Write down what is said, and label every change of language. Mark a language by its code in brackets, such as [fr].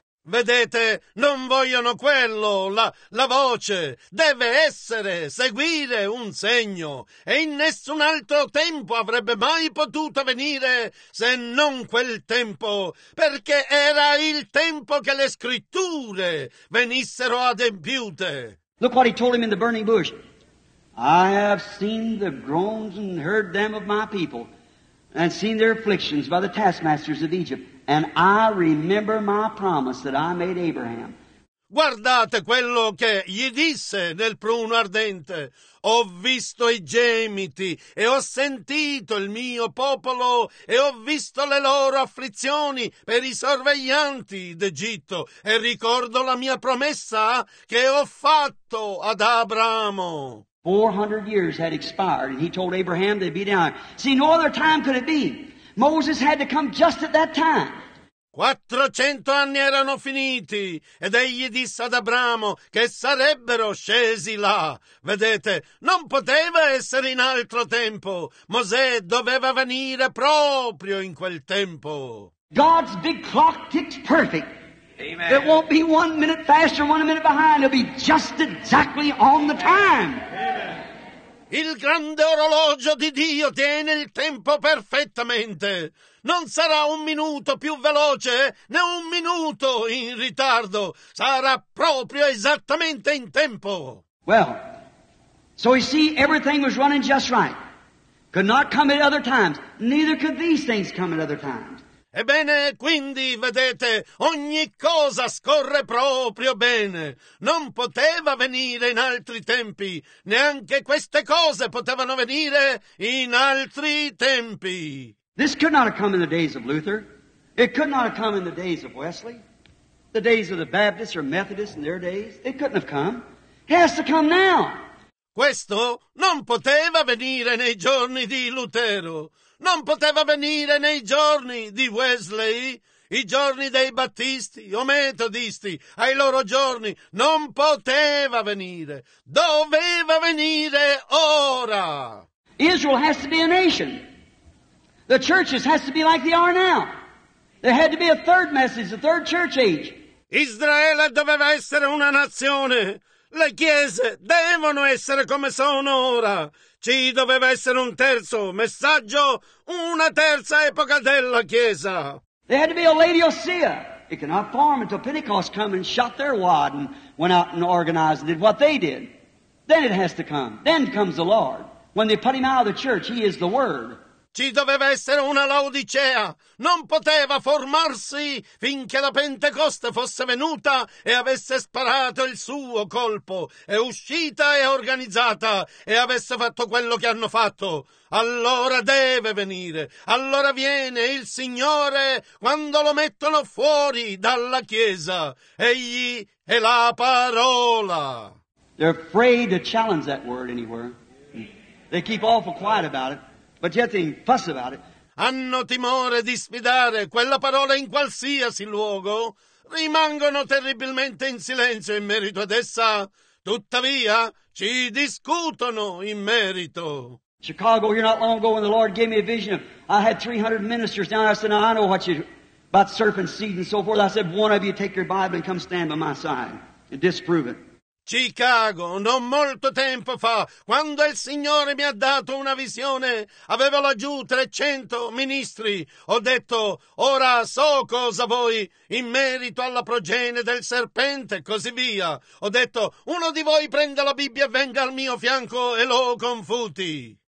[it] Vedete, non vogliono quello, la voce. Deve essere, seguire un segno. E in nessun altro tempo avrebbe mai potuto venire se non quel tempo. Perché era il tempo che le scritture venissero adempiute. [en] Look what he told him in the burning bush. I have seen the groans and heard them of my people and seen their afflictions by the taskmasters of Egypt. And I remember my promise that I made Abraham. [it] Guardate quello che gli disse nel pruno ardente. Ho visto i gemiti e ho sentito il mio popolo e ho visto le loro afflizioni per i sorveglianti d'Egitto e ricordo la mia promessa che ho fatto ad Abramo. [en] 400 years had expired and he told Abraham to be down. See, no other time could it be. Moses had to come just at that time. [it] 400 anni erano finiti ed egli disse ad Abramo che sarebbero scesi là. Vedete, non poteva essere in altro tempo. Mosè doveva venire proprio in quel tempo. [en] God's big clock ticks perfect. Amen. It won't be 1 minute faster, 1 minute behind. It'll be just exactly on the time. Amen. [it] Il grande orologio di Dio tiene il tempo perfettamente. Non sarà un minuto più veloce, né un minuto in ritardo. Sarà proprio esattamente in tempo. [en] Well, so you see, everything was running just right. Could not come at other times. Neither could these things come at other times. [it] Ebbene, quindi, vedete, ogni cosa scorre proprio bene. Non poteva venire in altri tempi. Neanche queste cose potevano venire in altri tempi. [en] This could not have come in the days of Luther. It could not have come in the days of Wesley. The days of the Baptists or Methodists in their days. It couldn't have come. It has to come now. [it] Questo non poteva venire nei giorni di Lutero. Non poteva venire nei giorni di Wesley, i giorni dei Battisti o Metodisti, ai loro giorni. Non poteva venire. Doveva venire ora. [en] Israel has to be a nation. The churches has to be like they are now. There had to be a third message, a third church age. [it] Israele doveva essere una nazione. Le chiese devono essere come sono ora. Ci doveva essere un terzo messaggio, una terza epoca della Chiesa. [en] There had to be a Laodicea. It cannot form until Pentecost come and shot their wad and went out and organized and did what they did. Then it has to come. Then comes the Lord. When they put him out of the church, he is the Word. [it] Ci doveva essere una Laodicea. Non poteva formarsi finché la Pentecoste fosse venuta e avesse sparato il suo colpo. È uscita e organizzata e avesse fatto quello che hanno fatto. Allora deve venire. Allora viene il Signore quando lo mettono fuori dalla Chiesa. Egli è la parola. [en] They're afraid to challenge that word anywhere. They keep awful quiet about it. But yet they fuss about it. [it] Hanno timore di sfidare quella parola in qualsiasi luogo. Rimangono terribilmente in silenzio in merito ad essa. Tuttavia, ci discutono in merito. [en] Chicago, you're not long ago when the Lord gave me a vision. I had 300 ministers down. I said, now I know what you about serpent seed and so forth. I said, one of you take your Bible and come stand by my side and disprove it. [it] Chicago, non molto tempo fa, quando il Signore mi ha dato una visione, avevo laggiù 300 ministri. Ho detto, ora so cosa vuoi in merito alla progenie del serpente e così via. Ho detto, uno di voi prenda la Bibbia e venga al mio fianco e lo confuti.